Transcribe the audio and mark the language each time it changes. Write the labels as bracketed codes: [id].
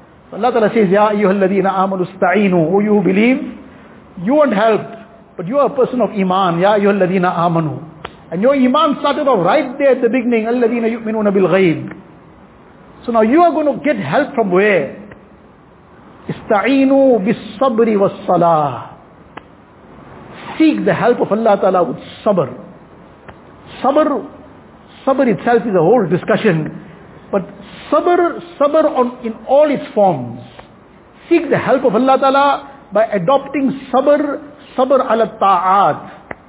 [en] So Allah Ta'ala says, [ar] Ya ayyuhal ladheena amanu ista'inu, [en] O you who believe, you want help, but you are a person of iman. Ya ayyuhal ladheena amanu. And your imam started off right there at the beginning, [ar] الَّذِينَ يُؤْمِنُونَ بِالْغَيْبِ. [en] So now you are going to get help from where? [ar] استعينوا بالصبر والصلاة. [en] Seek the help of Allah Ta'ala with sabr. Sabr itself is a whole discussion. But sabr on in all its forms. Seek the help of Allah Ta'ala by adopting [ar] sabr ala ta'at.